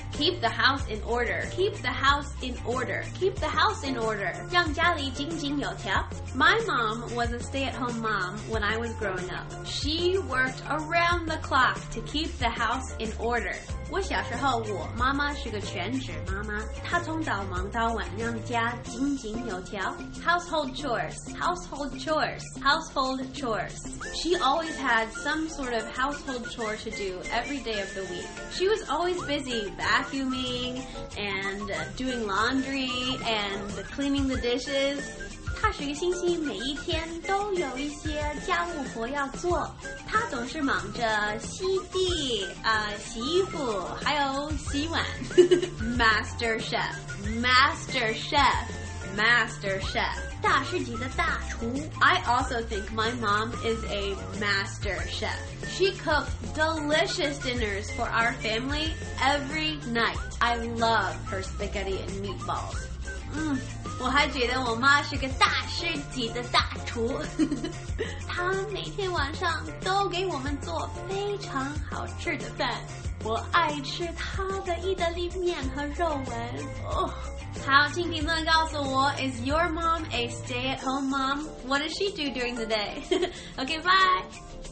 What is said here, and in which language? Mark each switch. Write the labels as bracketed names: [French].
[English] Keep the house in order, keep the house in order, keep the house in order, [Chinese] 让家里井井有条。 [English] My mom was a stay at home mom when I was growing up. She worked around the clock to keep the house in order. [Chinese] 我小时候，我妈妈是个全职妈妈，她从早忙到晚，让家井井有条。 [English] Household chores, household chores, household chores. She always had some sort of household chore to do every day of the week. She was always busy vacuuming and doing laundry and cleaning the dishes. [Chinese] 她是个星星，每一天都有一些家务活要做。她总是忙着吸地、洗衣服，还有洗碗。 [English] Master chef, master chef, master chef, [Chinese] 大师级的大厨。 [English] I also think my mom is a master chef. She cooks delicious dinners for our family every night. I love her spaghetti and meatballs. [Chinese] 我还觉得我妈是个大师级的大厨，她每天晚上都给我们做非常好吃的饭。我爱吃她的意大利面和肉丸。好，请评论告诉我 [English] ，Is your mom a stay-at-home mom? What does she do during the day? Okay, bye.